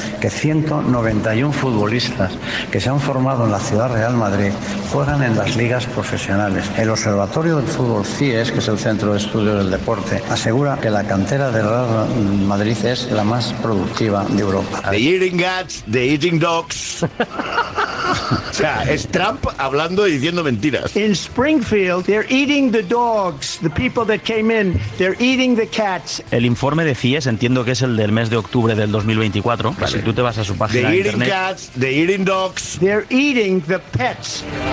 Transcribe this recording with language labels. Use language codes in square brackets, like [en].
[es] Que 191 futbolistas que se han formado en la Ciudad Real Madrid juegan en las ligas profesionales. El Observatorio del Fútbol CIES, que es el Centro de Estudios del Deporte, asegura que la cantera del Real Madrid es la más productiva de Europa. [en] The eating cats, the eating dogs. [es] O sea, es Trump hablando y diciendo mentiras. [en] In Springfield, they're eating the dogs, the people that came in, they're eating the cats. [es] El informe de CIES, entiendo que es el del mes de octubre del 2024, vale. Si tú te vas a su página de internet. [en] They're eating cats, they're eating dogs. They're eating the pets.